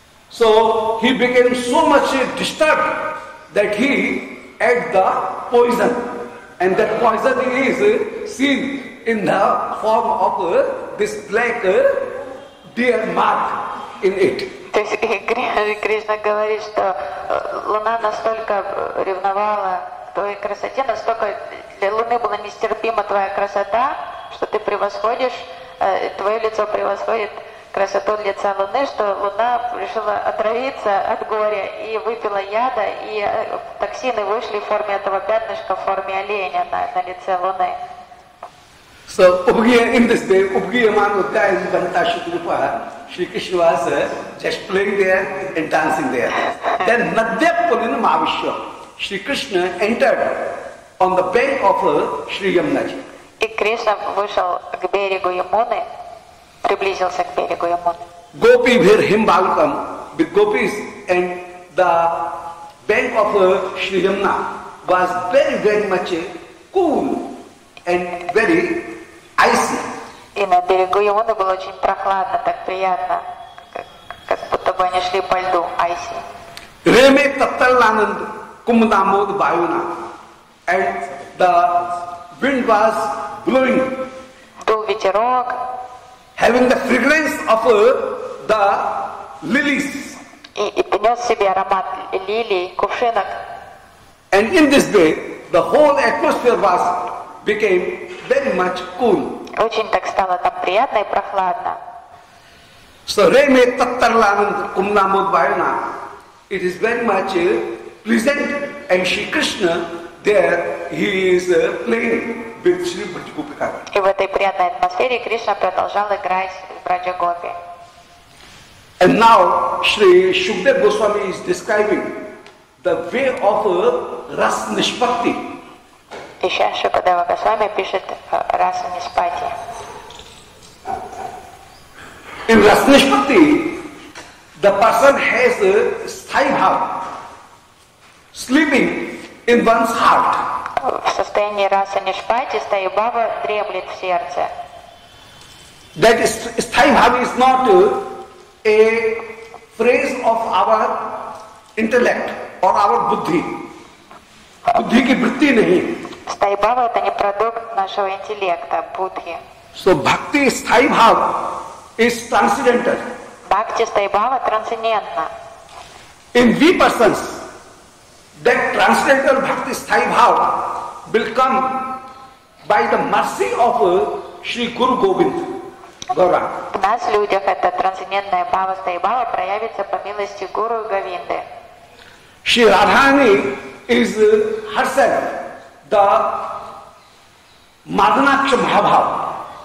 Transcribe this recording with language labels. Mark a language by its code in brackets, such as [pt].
[en] So he became so much disturbed that he ate the poison, and that poison is seen in the form of this black deer mark in it. [ru] То есть Кришна говорит, что луна настолько ревновала твоей красоте, настолько для луны была нестерпима твоя красота, что ты превосходишь, твое лицо превосходит красоту лица луны, что луна решила отравиться от горя и выпила яда, и токсины вышли в форме этого пятнышка, в форме оленя на лице луны. [en] So, Upagya, in this day, Upagya Manutta in Vanta Shukrupa, Shri Krishna was just playing there and dancing there. Then Nadya Purina Mahavishwa, Shri Krishna entered on the bank of Shri Yamunaji. [ru] И Кришна вышел к берегу Ямуны, приблизился к берегу Ямуны. [sa] Gopi bhir himbhagatam, [en] the gopis and the bank of Shri Yamuna was very, very much cool and very icy. [ru] И на берегу Ямуны было очень прохладно, так приятно, как будто бы они шли по льду, [en] icy. [sa] Reme tattalananda kumudamod bhayuna, [en] and the wind was blowing. [ru] Дул ветерок. [en] Having the fragrance of the lilies. [ru] И принес себе аромат лилии, кувшинок. [en] And in this day, the whole atmosphere was became very much cool. [ru] Очень так стало там приятно и прохладно. [sa] So reme tattarlanand kumnamudvayana. [en] It is very much pleasant, and Shri Krishna there he is playing. [ru] И в этой приятной атмосфере Кришна продолжал играть в Брадже Гопи. [en] And now Shri Shukdev Goswami is describing the way of Ras Nishpati. [ru] И сейчас Шукадева Госвами пишет Раса Нишпати. [en] In Ras Nishpati, the person has a sthayi bhava sleeping in one's heart. [ru] В состоянии раса нишпати стаи бхава дреблет в сердце. [en] That sthayi bhava is not a phrase of our intellect or our buddhi. [hi] Buddhi ki vritti nahi. [ru] Sthayi bhava это не продукт нашего интеллекта, будхи. [en] So bhakti sthayi bhava is transcendental. [ru] Bhakti sthayi bhava трансцендентна. [en] In we persons, that transcendental bhakti sthayi bhava will come by the mercy of Shri Guru Gobind Gauranga. [ru] В нас, людях, это трансцендентное бхава стаи бхава проявится по милости Гуру Говинды. [en] Shri Radhani is herself the Madanaksha Mahabhava.